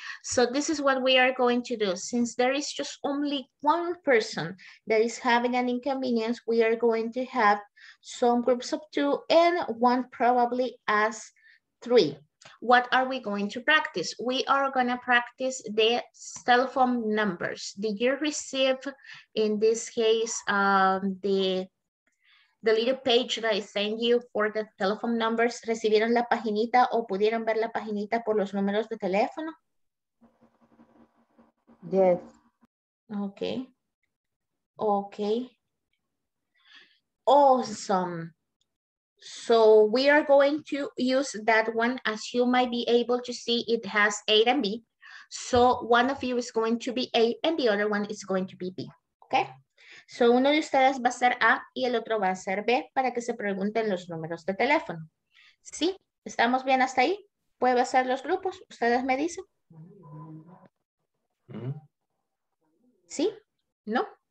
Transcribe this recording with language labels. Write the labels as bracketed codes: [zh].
[en] So this is what we are going to do. Since there is just only one person that is having an inconvenience, we are going to have some groups of two and one probably as three. What are we going to practice? We are going to practice the cell phone numbers. Did you receive, in this case, the little page that I send you for the telephone numbers? [es] ¿Recibieron la paginita o pudieron ver la paginita por los números de teléfono? [en] Yes. Okay. Okay. Awesome. So we are going to use that one. As you might be able to see, it has A and B. So one of you is going to be A and the other one is going to be B. Okay. [es] So uno de ustedes va a ser A y el otro va a ser B para que se pregunten los números de teléfono. ¿Sí? ¿Estamos bien hasta ahí? ¿Puedo hacer los grupos? ¿Ustedes me dicen? ¿Sí? ¿No?